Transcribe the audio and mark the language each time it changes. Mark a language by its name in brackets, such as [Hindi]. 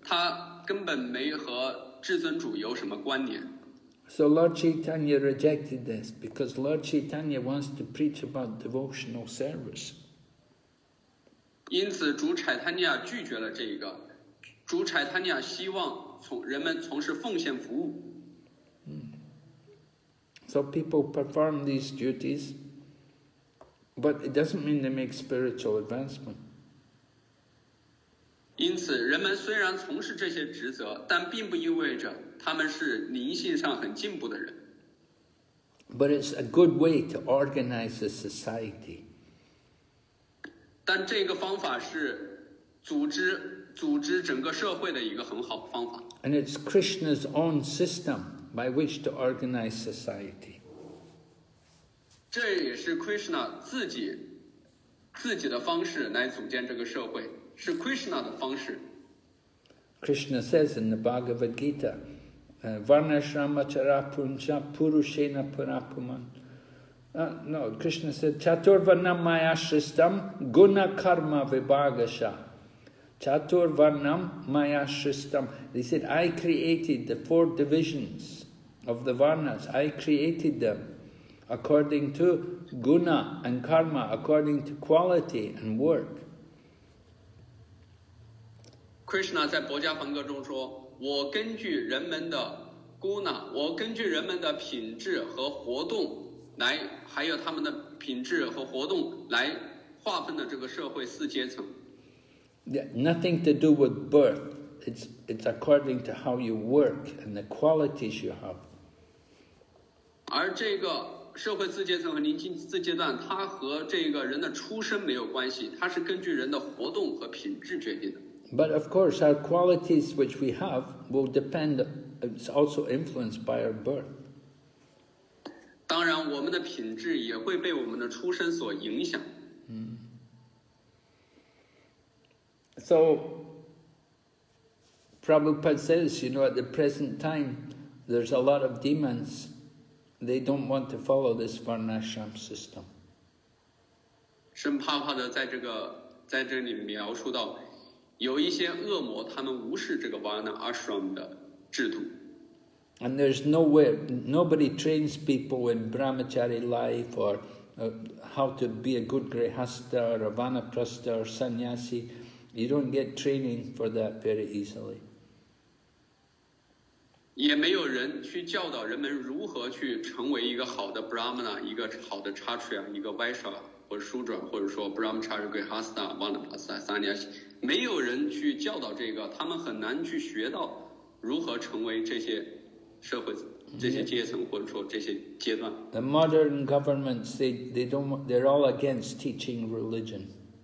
[Chinese] 他根本没和至尊主有什么关联。 [English] So Lord Chaitanya rejected this because Lord Chaitanya wants to preach about devotional service. [Chinese] 因此主柴坦尼亚拒绝了这一个。主柴坦尼亚希望人们从事奉献服务。 [English] So people perform these duties, but it doesn't mean they make spiritual advancement. [Chinese] 因此人们虽然从事这些职责，但并不意味着他们是灵性上很进步的人。 [English] But it's a good way to organize the society. [Chinese] 但这个方法是组织整个社会的一个很好的方法。 [English] And it's Krishna's own system by which to organize society. [Chinese] 这也是 Krishna 自己的方式来组建这个社会，是 Krishna 的方式。 [English] Krishna says in the Bhagavad Gita,Krishna said, [Sanskrit] Chaturvarnam mayashristam guna karma vibhagasha. Chaturvarnam mayashristam. [English] He said, I created the four divisions of the Varnas. I created them according to guna and karma, according to quality and work. [Chinese] Krishna 在薄伽梵歌中说，我根据人们的 guna， 我根据人们的品质和活动来，还有他们的品质和活动来划分的这个社会四阶层。 [English] Yeah, nothing to do with birth. It's according to how you work and the qualities you have. [Chinese] 而这个社会四阶层和临近四阶段，它和这个人的出身没有关系，它是根据人的活动和品质决定的。 [English] But of course, our qualities which we have will depend, it's also influenced by our birth. [Chinese] 当然我们的品质也会被我们的出身所影响。 [English] So, Prabhupada says, you know, at the present time, there's a lot of demons, they don't want to follow this Varnashram system. [Chinese] 圣帕帕德在这里描述到有一些恶魔，他们无视这个 Varna Ashram 的制度。 [English] And there's nowhere, nobody trains people in Brahmachari life or how to be a good Grihastha or a Vanaprastha or Sannyasi. You don't get training for that very easily. [Chinese] 也没有人去教导人们如何去成为一个好的 Brahmana, 一个好的 Chatriya, 一个 Vaishya 或者 Shudra, 或者说 Brahmachari Grihastha, Vanaprastha, Sannyasi. 没有人去教导这个，他们很难去学到如何成为这些社会、这些阶层或者说这些阶段。 [English] The modern governments, they don't, they're all against teaching religion.